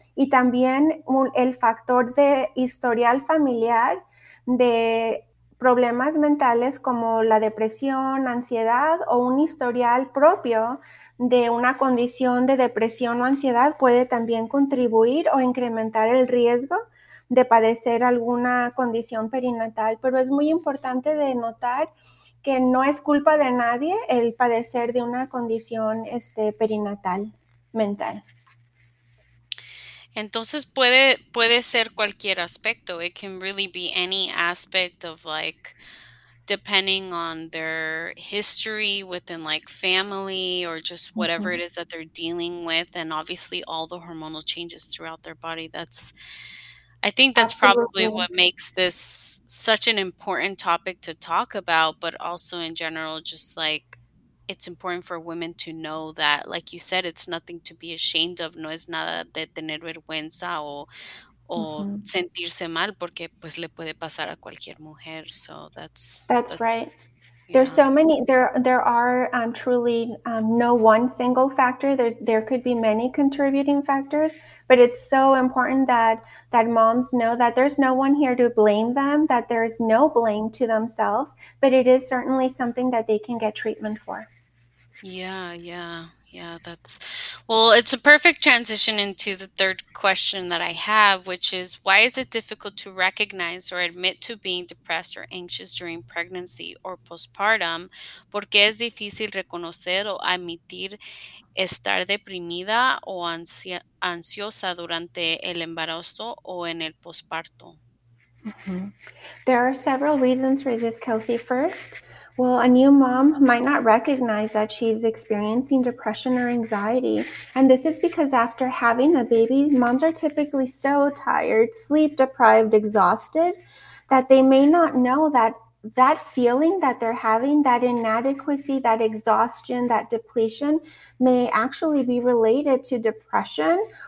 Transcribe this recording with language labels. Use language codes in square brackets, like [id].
[es] Y también el factor de historial familiar de problemas mentales como la depresión, ansiedad o un historial propio de una condición de depresión o ansiedad puede también contribuir o incrementar el riesgo de padecer alguna condición perinatal, pero es muy importante de notar que no es culpa de nadie el padecer de una condición perinatal mental. Entonces puede ser cualquier aspecto. [en] It can really be any aspect of like depending on their history within like family or just whatever mm-hmm. it is that they're dealing with, and obviously all the hormonal changes throughout their body. I think that's Absolutely. Probably what makes this such an important topic to talk about, but also in general, just like it's important for women to know that, like you said, it's nothing to be ashamed of. [es] No es nada de tener vergüenza o mm-hmm. sentirse mal porque pues le puede pasar a cualquier mujer. [en] So that's right. There's so many, there are truly no one single factor. There could be many contributing factors, but it's so important that moms know that there's no one here to blame them, that there is no blame to themselves, but it is certainly something that they can get treatment for. Yeah, it's a perfect transition into the third question that I have, which is why is it difficult to recognize or admit to being depressed or anxious during pregnancy or postpartum? [es] ¿Por qué es difícil reconocer o admitir estar deprimida o ansiosa durante el embarazo o en el postparto? [en] Mm-hmm. There are several reasons for this, Kelsey. First, Well, a new mom might not recognize that she's experiencing depression or anxiety. And this is because after having a baby, moms are typically so tired, sleep deprived, exhausted, that they may not know that that feeling that they're having, that inadequacy, that exhaustion, that depletion may actually be related to depression.